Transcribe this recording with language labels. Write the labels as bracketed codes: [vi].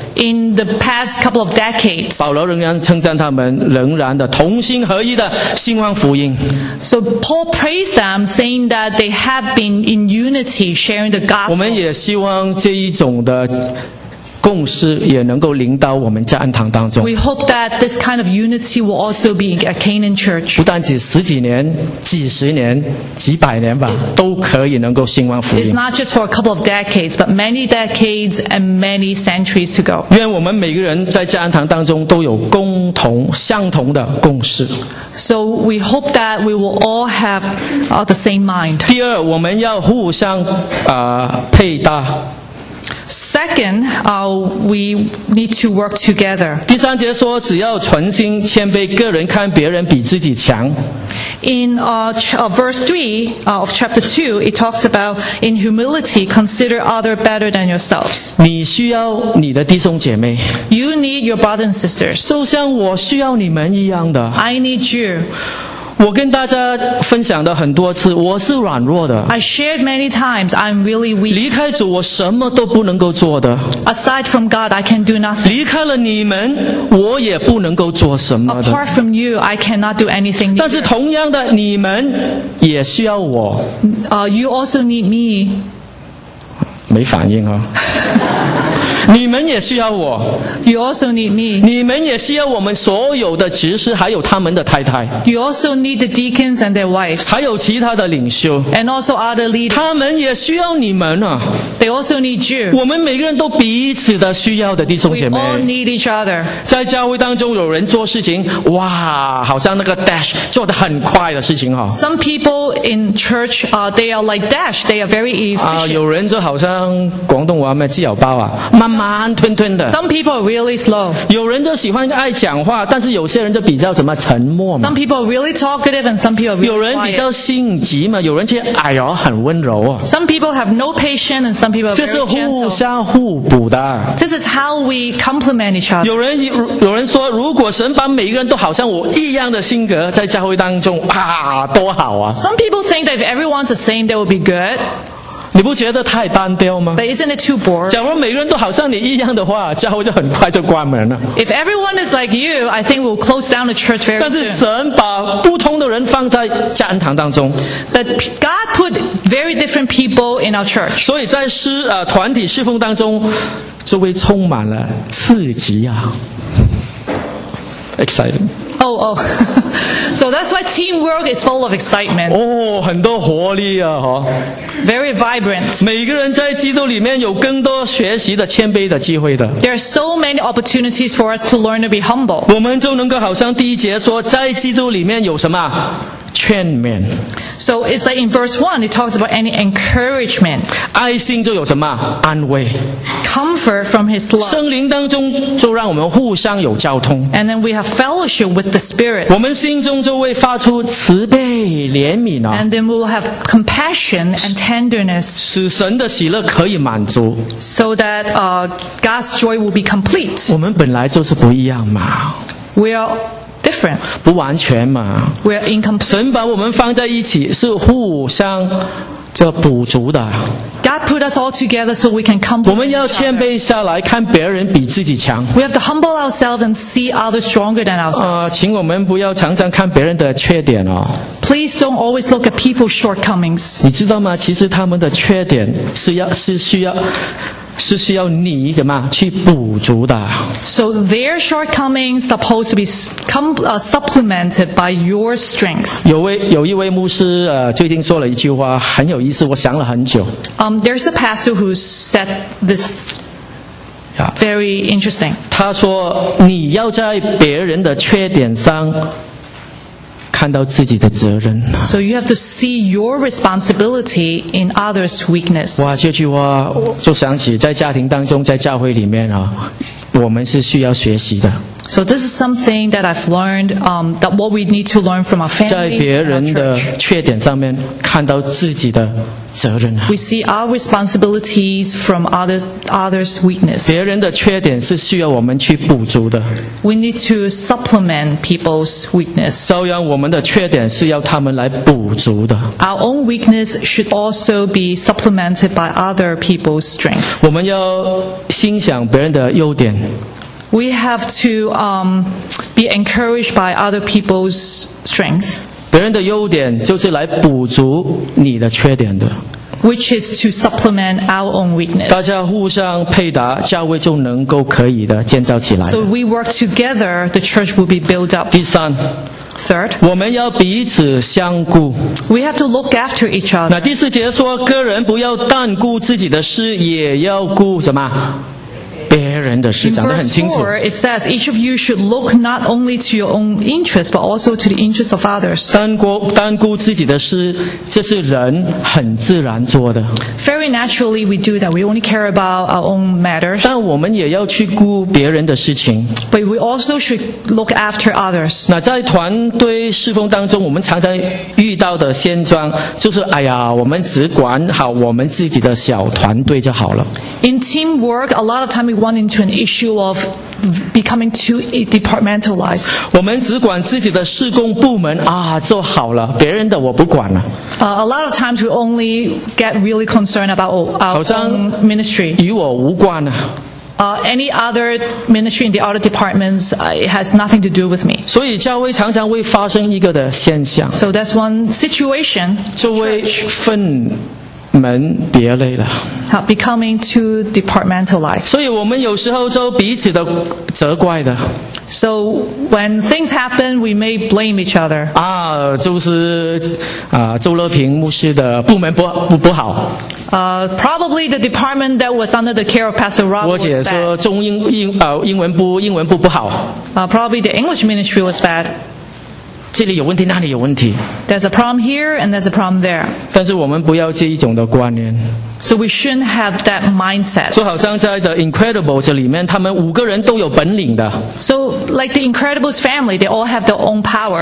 [en] In the past couple of decades. [zh] 保罗仍然称赞他们仍然的同心合一的兴旺福音。 [en] So Paul praised them saying that they have been in unity sharing the gospel. [zh] 我们也希望这一种的共识也能够临到我们家安堂当中。 [en] We hope that this kind of unity will also be in a Canaan church. [zh] 不但只十几年、几十年、几百年吧，都可以能够兴旺福音。 [en] It's not just for a couple of decades, but many decades and many centuries to go. [zh] 愿我们每个人在家安堂当中都有共同、相同的共识。 [en] So we hope that we will all have the same mind. [zh] 第二，我们要互相配搭。 [en] Second, we need to work together. [zh] 第三节说，只要存心谦卑，个人看别人比自己强。 [en] In verse 3 of chapter 2, it talks about in humility, consider other better than yourselves. [zh] 你需要你的弟兄姐妹。 [en] You need your brothers and sisters. [zh] 就像我需要你们一样的。 [en] I need you. [zh] 我跟大家分享的很多次，我是软弱的。 [en] I shared many times, I'm really weak. [zh] 离开主，我什么都不能够做的。 [en] Aside from God, I can do nothing. [zh] 离开了你们，我也不能够做什么的。 [en] Apart from you, I cannot do anything. [zh] 但是同样的，你们也需要我。 [en] You also need me. [zh] 没反应啊。你们也需要我。 [en] You also need me. [zh] 你们也需要我们所有的执事，还有他们的太太。 [en] You also need the deacons and their wives. [zh] 还有其他的领袖。 [en] And also other leaders. [zh] 他们也需要你们啊。 [en] They also need you. [zh] 我们每个人都彼此的需要的弟兄姐妹。 [en] We all need each other. [zh] 在教会当中，有人做事情，哇，好像那个 dash 做得很快的事情哈。 [en] Some people in church, they are like dash. They are very efficient. [zh] 有人就好像广东话咩，鸡油包啊，慢吞吞的。 [en] Some people are really slow. [zh] 有人就喜欢爱讲话，但是有些人就比较什么沉默嘛。 [en] Some people are really talkative and some people are really quiet. [zh] 有人比较性急嘛，有人却哎呦很温柔哦。 [en] Some people have no patience and some people are very gentle. [zh] 这是互相互补的。 [en] This is how we complement each other. [zh] 有人说，如果神把每一个人都好像我一样的性格在教会当中啊，多好啊。 [en] Some people think that if everyone's the same, that would be good. [zh] 你不觉得太单调吗？ [en] But isn't it too boring? [zh] 假如每个人都好像你一样的话，教会就很快就关门了。 [en] If everyone is like you, I think we'll close down the church very soon. [zh] 但是神把不同的人放在家恩堂当中。 [en] But God put very different people in our church. [zh] 所以在团体侍奉当中，就会充满了刺激啊。 [en] Exciting. Oh, so that's why teamwork is full of excitement. [zh] Oh, 很多活力啊，哈。 [en] Very vibrant. [zh] 每个人在基督里面有更多学习的谦卑的机会的。 [en] There are so many opportunities for us to learn to be humble. [zh] 我们就能够好像第一节说，在基督里面有什么？劝勉。 [en] So it's like in verse 1, it talks about any encouragement. [zh] 爱心就有什么？安慰。 [en] Comfort from his love. [zh] 圣灵当中就让我们互相有交通。 [en] And then we have fellowship with the Spirit. [zh] 我们心中就会发出慈悲怜悯啊。 [en] And then we'll have compassion and tenderness. [zh] 使神的喜乐可以满足。 [en] So that God's joy will be complete. [zh] 我们本来就是不一样嘛。 [en] We are different. [zh] 不完全嘛。 [en] We're incomplete. [zh] 神把我们放在一起是互相这补足的。 [en] God put us all together so we can complete. [zh] 我们要谦卑下来，看别人比自己强。 [en] We have to humble ourselves and see others stronger than ourselves. [zh] 请我们不要常常看别人的缺点哦。 [en] Please don't always look at people's shortcomings. [zh] 你知道吗？其实他们的缺点是需要你什么去补足的。 [en] So their shortcomings supposed to be supplemented by your strength. [zh] 有一位牧师最近说了一句话很有意思，我想了很久。 [en] There's a pastor who said this very interesting. [zh] 他说你要在别人的缺点上看到自己的责任。 [en] So you have to see your responsibility in others' weakness. [zh] 哇，这句话就想起在家庭当中，在教会里面啊，我们是需要学习的。 [en] So this is something that I've learned, that what we need to learn from our family. [zh] 在别人的缺点上面看到自己的责任。 [en] We see our responsibilities from others' weakness. [zh] 别人的缺点是需要我们去补足的。 [en] We need to supplement people's weakness. [zh] 照样我们的缺点是要他们来补足的。 [en] Our own weakness should also be supplemented by other people's strength. [zh] 我们要欣赏别人的优点。 [en] We have to be encouraged by other people's strength. [zh] 别人的优点就是来补足你的缺点的。 [en] Which is to supplement our own weakness. [zh] 大家互相配搭，教会就能够可以的建造起来。 [en] So we work together, the church will be built up. [zh] 第三。 [en] Third, [zh] 我们要彼此相顾。 [en] We have to look after each other. [zh] 那第四节说，个人不要单顾自己的事，也要顾什么？ [en] In verse 4, it says, each of you should look not only to your own interests, but also to the interests of others. [zh] 单顾自己的事，这是人很自然做的。 [en] Very naturally, we do that. We only care about our own matters. [zh] 但我们也要去顾别人的事情。 [en] But we also should look after others. [zh] 那在团队侍奉当中，我们常常遇到的现状，就是哎呀，我们只管好我们自己的小团队就好了。 [en] In teamwork, a lot of time we want into an issue of becoming too departmentalized. [zh] 我们只管自己的事工部门啊，做好了，别人的我不管了。 [en] A lot of times we only get really concerned about our own ministry. [zh] 与我无关啊。 [en] Any other ministry in the other departments has nothing to do with me. [zh] 所以教会常常会发生一个的现象。 [en] So that's one situation. [zh] 就会分门别类了。 [en] Becoming too departmentalized. [zh] 所以我们有时候就彼此的责怪的。 [en] So when things happen, we may blame each other. [zh] 啊，就是啊，周乐平牧师的部门不好。 [en] Probably the department that was under the care of Pastor Rob was bad. [zh] 我姐说中英文部不好。 [en] Probably the English ministry was bad. [zh] 这里有问题，那里有问题。 [en] There's a problem here and there's a problem there. [zh] 但是我们不要这一种的观念。 [en] So we shouldn't have that mindset. [zh] 就好像在 The Incredibles 里面，他们五个人都有本领的。 [en] So like the Incredibles family, they all have their own power.